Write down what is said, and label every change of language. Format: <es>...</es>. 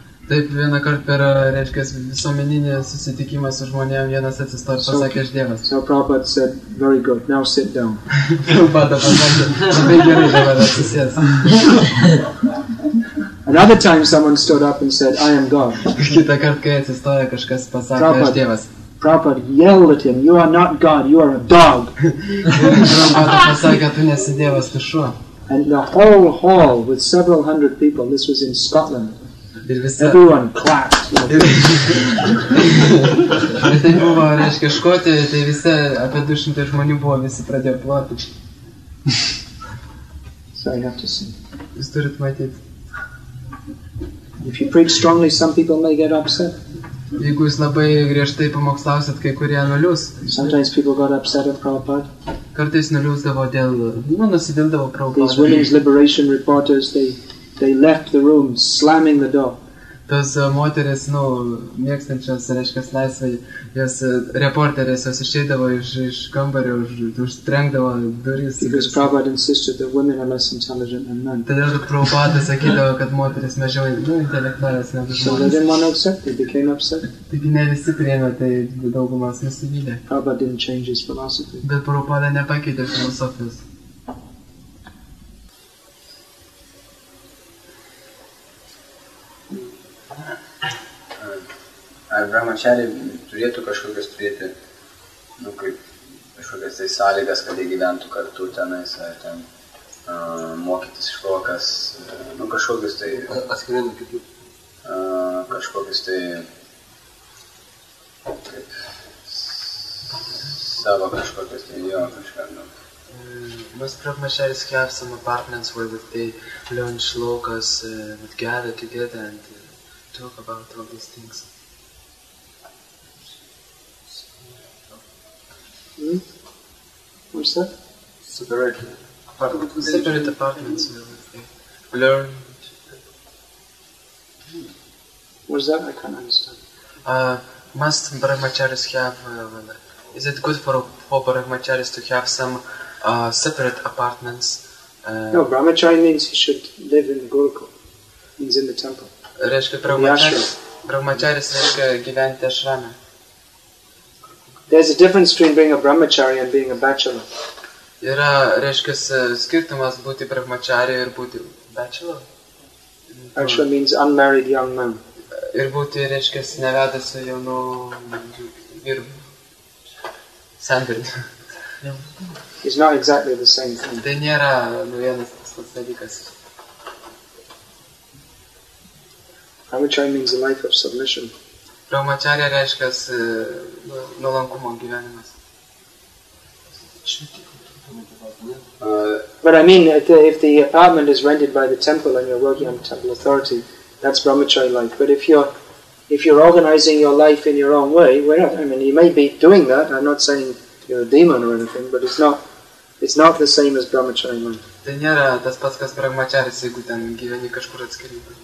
<lt>Taip vieną kartą per, reiškia, visuomeninį susitikimą su žmonėm, vienas atsistojo ir pasakė, aš Dievas.</lt> <en>So Prabhupada said, very good, now sit down.</en> <lt>Prabhupada pasakė, labai gerai, dabar atsisės.</lt> <en>Another time someone stood up and said, I am God.</en> <lt>Kitą kartą, kai atsistojo, kažkas pasakė, aš Dievas.</lt> <en>Prabhupada yelled at him, you are not God, you are a dog.</en> <lt>Prabhupada pasakė, tu nesi Dievas, tu šuo.</lt> <en>And the whole hall with several hundred people, this was in Scotland, everyone clapped. So you have to see. If you preach strongly, some people may get upset.</en> <lt>Jeigu jūs labai griežtai pamokslausit, kai kurie nuliūs.</lt> <en>Sometimes people got upset at Prabhupada.</en> <lt>Kartais nuliūsdavo dėl, nusivildavo Prabhupada.</lt> <en>These women's liberation reporters, they left the room, slamming the door.</en> <lt>Tos moteris, mėgstančios, reiškia, laisvai, jos reporteris, jos išeidavo iš kambario, užtrenkdavo duris.</lt> <en>Because Prabhupada insisted that women are less intelligent than men.</en> <lt>Tadėl tik Prabhupada sakydavo, kad moteris mažiau intelektualios negu žmonės.</lt> <en>So they didn't want to accept, they became upset.</en> <lt>Taigi ne visi priėmė, tai daugumas nusivylė.</lt> <en>Prabhupada didn't change his philosophy.</en> <lt>Bet Prabhupada nepakeitė filosofijos. Ar brahmačiariai turėtų kažkokias turėti, kaip kažkokias tai sąlygas, kad jie gyventų kartu tenais, ar ten mokytis iš to, kas, nu, kažkokius tai... Atskirai nuo kitų. Kažkokius tai... Kaip... Savo kažkokius tai, jo, kažką, nu.</lt> <en>Most Prabhmacharis have some apartments where we learn shlokas, would gather together and talk about all these things. What's that? Separate apartments. Separate apartments where we learn. What's that? I can't understand. Must Brahmacharis have... is it good for Brahmacharis to have some separate apartments? No, Brahmachari means he should live in the Gurukul, means in the temple.</en> <lt>Reiškia, Brahmacharis reiškia gyventi ašrame.</lt> <en>There's a difference between being a Brahmachari and being a bachelor.</en> <lt>Yra, reiškia, skirtumas būti Brahmachari ir būti bachelor.</lt> <en>Actually means unmarried young man.</en> <lt>Ir būti, reiškia, nevedusiu jaunu vyru. Sandvirdu.</lt> <en>It's not exactly the same thing.</en> <lt>Tai nėra vienas tas dalykas.</lt> <en>Brahmachari means a life of submission.</en> <lt>Brahmacharya reiškia nuolankumo gyvenimas.</lt> <en>But I mean, if the apartment is rented by the temple and you're working on temple authority, that's Brahmachari life. But if you're organizing your life in your own way, wherever, I mean, you may be doing that, I'm not saying you're a demon or anything, but it's not the same as Brahmachari life.</en> <lt>Tai nėra tas pats, kas Brahmacharis, jeigu ten gyveni kažkur atskiri.</lt>